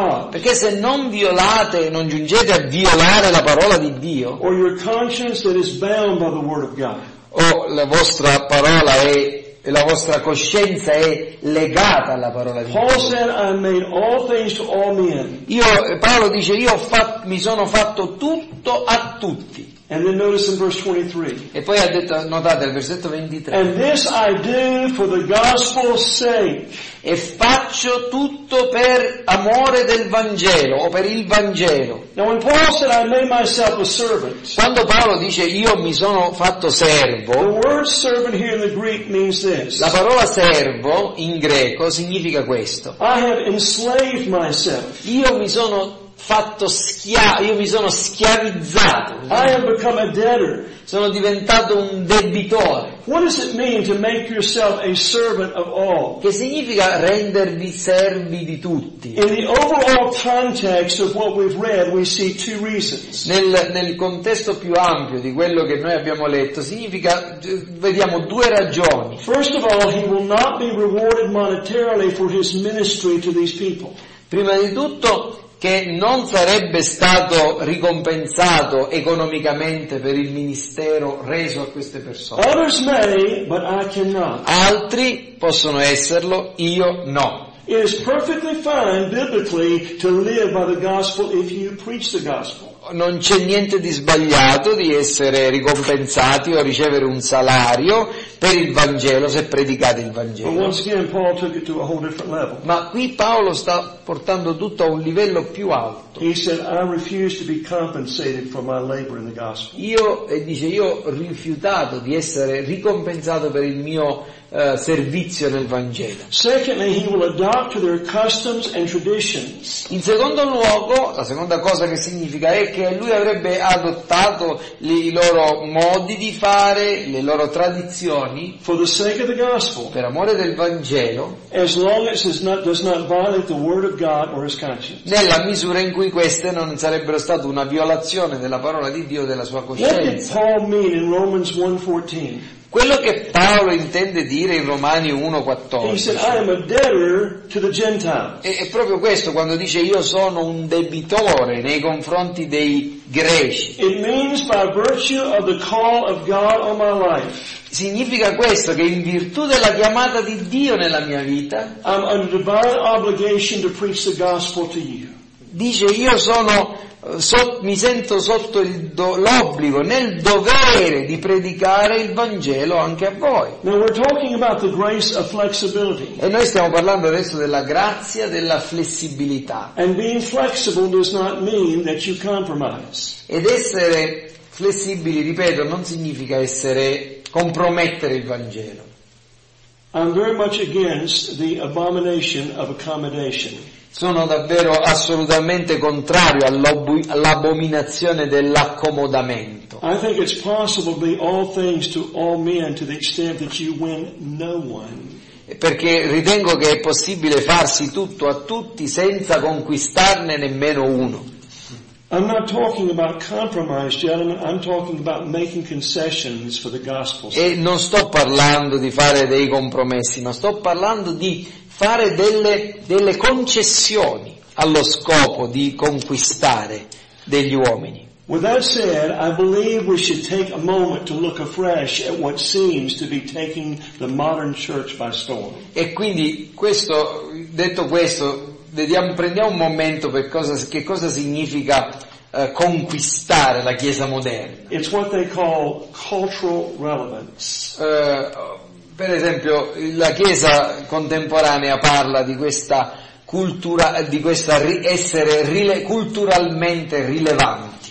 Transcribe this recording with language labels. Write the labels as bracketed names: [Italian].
[Italian] Perché se non violate, non giungete a violare la parola di Dio, la vostra coscienza è legata alla parola di [English] Paul [Italian] Dio. [English] Said, "I made all things to all men." [Italian] Io, Paolo dice, io mi sono fatto tutto a tutti. [English] And then notice in verse 23. [Italian] E poi ha detto, notate il versetto 23. [English] And this I do for the gospel's sake. [Italian] E faccio tutto per amore del Vangelo o per il Vangelo. [English] Now when Paul said, "I made myself a servant," [Italian] quando Paolo dice io mi sono fatto servo, [English] the word servant here in the Greek means this. [Italian] La parola servo in greco significa questo. [English] I have enslaved myself. [Italian] Io mi sono fatto schiavo, io mi sono schiavizzato. [English] I have become a debtor. [Italian] Sono diventato un debitore. [English] What does it mean to make yourself a servant of all? [Italian] Che significa rendervi servi di tutti? [English] In the overall context of what we've read, we see two reasons. [Italian] Nel contesto più ampio di quello che noi abbiamo letto, significa vediamo due ragioni. [English] First of all, he will not be rewarded monetarily for his ministry to these people. [Italian] Prima di tutto che non sarebbe stato ricompensato economicamente per il ministero reso a queste persone. [English] Others may, but I cannot. [Italian] Altri possono esserlo, io no. [English] It is perfectly fine biblically to live by the gospel if you preach the gospel. [Italian] Non c'è niente di sbagliato di essere ricompensati o ricevere un salario per il Vangelo se predicate il Vangelo. [English] But once again, Paul took it to a whole different level. [Italian] Ma qui Paolo sta portando tutto a un livello più alto. [English] He said, I refuse to be compensated for my labor in the gospel. [Italian] Io rifiutato di essere ricompensato per il mio servizio nel Vangelo. [English] Secondly, he will adopt to their customs and traditions. [Italian] In secondo luogo, la seconda cosa che significa è che lui avrebbe adottato i loro modi di fare, le loro tradizioni, [English] for the sake of the gospel, [Italian] per amore del Vangelo, [English] as long as does not violate the word of God or his conscience. [Italian] Nella misura in cui queste non sarebbero state una violazione della parola di Dio o della sua coscienza. [English] What did Paul mean in Romans 1:14? [Italian] Quello che Paolo intende dire in Romani 1:14 è proprio questo, quando dice io sono un debitore nei confronti dei greci. [English] It means by virtue of the call of God on my life. [Italian] Significa questo, che in virtù della chiamata di Dio nella mia vita, [English] I'm under divine obligation to preach the gospel to you. [Italian] Dice io sono mi sento sotto l'obbligo, nel dovere di predicare il Vangelo anche a voi. [English] Now we're talking about the grace of flexibility. [Italian] E noi stiamo parlando adesso della grazia della flessibilità. [English] And being flexible does not mean that you compromise. [Italian] Ed essere flessibili, ripeto, non significa essere compromettere il Vangelo. [English] I'm very much against the abomination of accommodation. [Italian] Sono davvero assolutamente contrario all'abominazione dell'accomodamento. [English] I think it's possible to be all things to all men to the extent that you win no one. [Italian] Perché ritengo che è possibile farsi tutto a tutti senza conquistarne nemmeno uno. [English] I'm not talking about compromise, gentlemen. I'm talking about making concessions for the gospel. [Italian] E non sto parlando di fare dei compromessi, ma sto parlando di fare delle concessioni allo scopo di conquistare degli uomini. [English] With that said, I believe we should take a moment to look afresh at what seems to be taking the modern church by storm. [Italian] E quindi detto questo, prendiamo un momento per che cosa significa conquistare la Chiesa moderna. [English] It's what they call cultural relevance. [Italian] Per esempio, la Chiesa contemporanea parla di questa cultura, di questa essere culturalmente rilevanti.